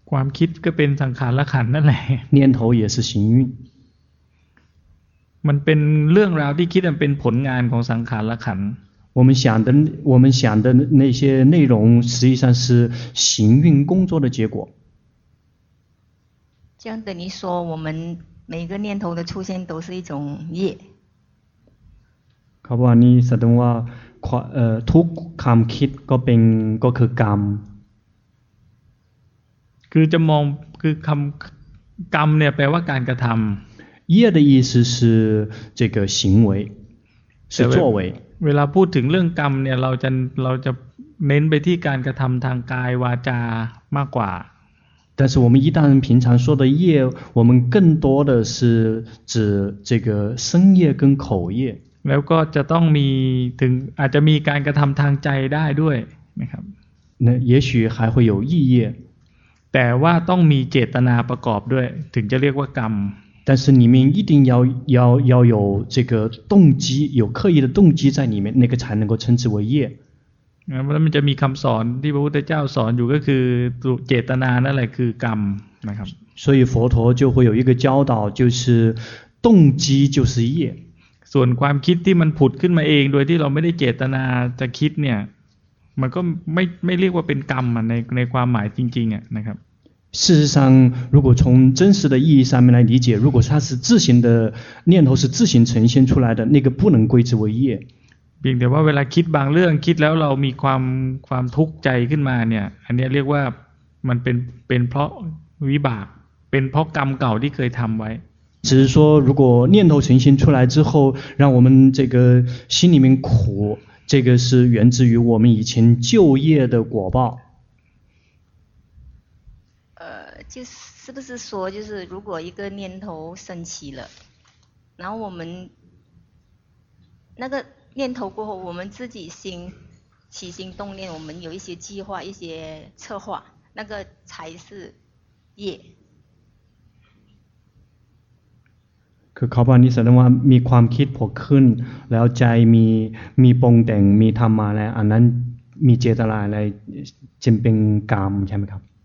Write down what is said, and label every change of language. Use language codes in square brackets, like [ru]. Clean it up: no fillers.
[th] ความคิดก็เป็นสังขารขันธ์นั่นแหละ [zh] 念头也是行运 [th] มันเป็นเรื่องราวที่คิดมันเป็นผลงานของสังขารขันธ์ [zh] 我们想的那些内容实际上是行运工作的结果这样等于说我们每个念头的出现都是一种业 [th] เขาบอกว่านี่แสดงว่าทุกความคิดก็เป็นก็คือกรรม คือจะมองคือคำกรรมเนี่ยแปลว่าการกระทำ [zh] 业的意思是这个行为是作为 [th] เวลาพูดถึงเรื่องกรรมเนี่ยเราจะเน้นไปที่การกระทำทางกายวาจามากกว่า [zh] 但是我们一般平常说的业我们更多的是指这个身业跟口业 [th] แล้วก็จะต้องมีถึงอาจจะมีการกระทำทางใจได้ด้วยนะครับ [zh] 那也许还会有意业 [th] แต่ว่าต้องมีเจตนาประกอบด้วยถึงจะเรียกว่ากรรม [zh] 但是里面一定要有这个动机有刻意的动机在里面那个才能够称之为业 [th] แล้วมันจะมีคำสอนที่พระพุทธเจ้าสอนอยู่ก็คือเจตนานั่นแหละคือกรรมนะครับ [zh] 所以佛陀就会有一个教导就是动机就是业 [th] ส่วนความคิดที่มันผุดขึ้นมาเองโดยที่เราไม่ได้เจตนาจะคิดเนี่ยมันก็ไม่เรียกว่าเป็นกรรมในความหมายจริงๆอ่ะนะครับ [zh] 事实上如果从真实的意义上面来理解如果它是自行的念头是自行呈现出来的那个不能归之为业 [th] เพียงแต่ว่าเวลาคิดบางเรื่องคิดแล้วเรามีความทุกข์ใจขึ้นมาเนี่ยอันนี้เรียกว่ามันเป็นเพราะวิบากเป็นเพราะกรรมเก่าที่เคยทำไว้ [zh] 只是说如果念头呈现出来之后让我们这个心里面苦这个是源自于我们以前旧业的果报就是不是说就是如果一个念头升起了然后我们那个念头过后我们自己心起心动念我们有一些计划一些策划那个才是业 [th] คือเขาบอกนี่แสดงว่ามีความคิดผกขึ้นแล้วใจมีปรุงแต่งมีทำมาแล้วอันนั้นมีเจตนาอะไรจึงเป็นกรรมใช่ไหมครับ